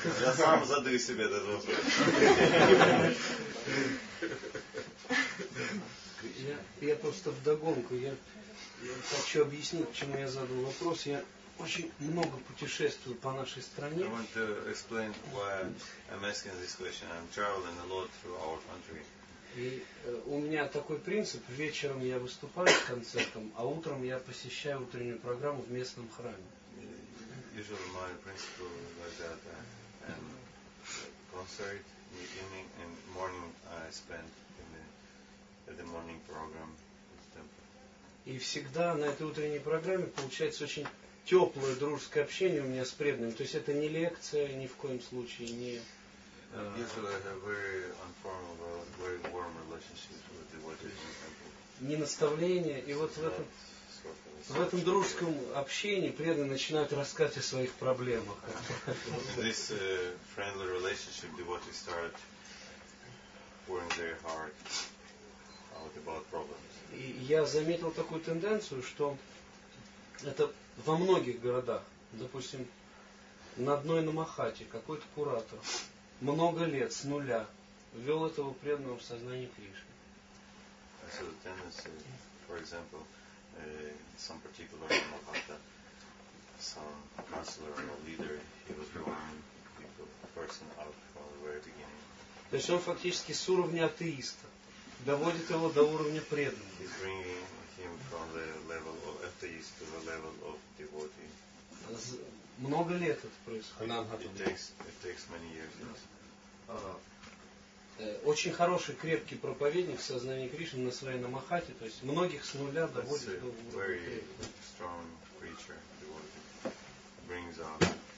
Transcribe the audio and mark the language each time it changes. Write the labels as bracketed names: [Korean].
[Russian] Я сам задаю себе этот вопрос. Я просто вдогонку. Я хочу объяснить, почему я задал вопрос. Я очень много путешествую по нашей стране. [English] I want to explain why I'm asking this question. I'm traveling a lot through our country. [Russian] И у меня такой принцип: вечером я выступаю с концертом, а утром я посещаю утреннюю программу в местном храме. [English] Usually my principle like that: concert in the evening and morning I spend in the morning program in the temple. [Russian] И всегда на этой утренней программе получается очень теплое дружеское общение у меня с преданными. То есть это не лекция ни в коем случае, не. [English] Usually I have very informal, very warm relationships with the devotees in the temple. [Russian] Не наставление, и вот в этом дружеском общении преданные начинают рассказывать о своих проблемах. [English] This friendly relationship, devotees start pouring their heart out about problems. [Russian] И я заметил такую тенденцию, что это во многих городах, допустим, на одной Намахате какой-то куратор много лет с нуля ввел этого преданного в сознание Кришны. [English] So the tendency, for example, some particular Mahatma, some counselor or leader, he was drawing the person out from the very beginning. [Russian] То есть он фактически с уровня атеиста доводит его до уровня преданного. [English] He's bringing him from the level of atheist to the level of devotee. [Russian] Много лет это происходит. [English] It takes many years. Yes. [Russian] Очень хороший, крепкий проповедник в сознании Кришны на своей намахате, то есть многих с нуля доводит до уровня. [English] Very strong preacher, devotee, brings up